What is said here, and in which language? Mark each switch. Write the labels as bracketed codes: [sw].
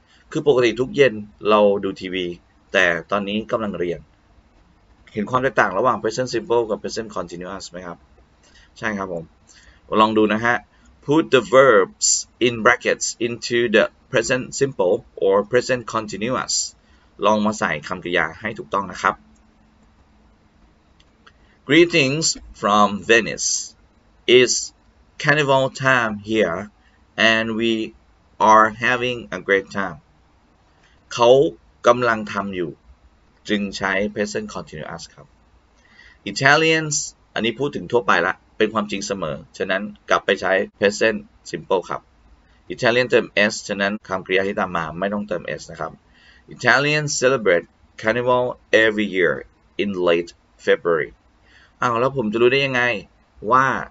[th] คือปกติทุกเย็นเราดูทีวีแต่ตอนนี้กำลังเรียนเห็นความแตกต่างระหว่าง present simple กับ present continuous ไหมครับใช่ครับผมลองดูนะฮะ [en] Put the verbs in brackets into thePresent simple or present continuous. [th] ลองมาใส่คำกริยาให้ถูกต้องนะครับ [en] Greetings from Venice. It's carnival time here, and we are having a great time. [th] เขากำลังทำอยู่จึงใช้ present continuous ครับ [en] Italians, [th] อันนี้พูดถึงทั่วไปละเป็นความจริงเสมอฉะนั้นกลับไปใช้ present simple ครับItalian เติม S ฉะนั้นคำกริยาที่ตามมาไม่ต้องเติม S นะครับ [en] Italian celebrate carnival every year in late February [th] อ้าวแล้วผมจะรู้ได้ยังไงว่า